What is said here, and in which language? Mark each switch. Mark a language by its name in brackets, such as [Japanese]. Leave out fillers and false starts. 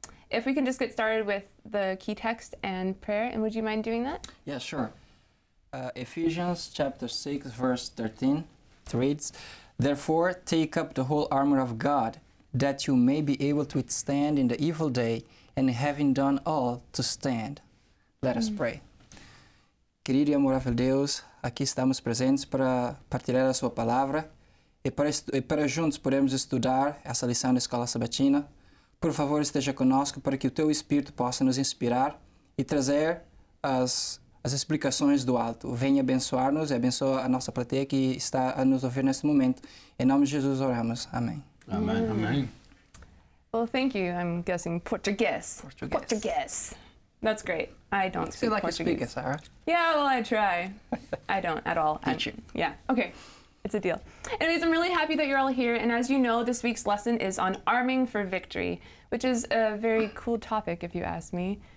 [English] If we can just get started with the key text and prayer, and would you mind doing that? Yeah, sure. Ephesians chapter 6, verse 13, it reads, "Therefore, take up the whole armor of God, that you may be able to withstand in the evil day, and having done all, to stand." Let us pray. [Portuguese] Querido e amorável Deus, aqui estamos presentes para partilhar a sua palavra e para juntos podermos estudar essa lição da Escola Sabatina. Por favor, esteja conosco para que o Teu Espírito possa nos inspirar e trazer as explicações do alto. Venha abençoar-nos e abençoa a nossa plateia que está a nos ouvir neste momento. Em nome de Jesus, oramos. Amém. Amém. Amém. [English] Well, thank you. I'm guessing Portuguese. Portuguese. Portuguese. That's great. I don't you speak like Portuguese. You feel like you speak it, Sarah. Yeah, well, I try. I don't at all. Teach you. Yeah. Okay. It's a deal. Anyways, I'm really happy that you're all here. And as you know, this week's lesson is on arming for victory, which is a very cool topic, if you ask me.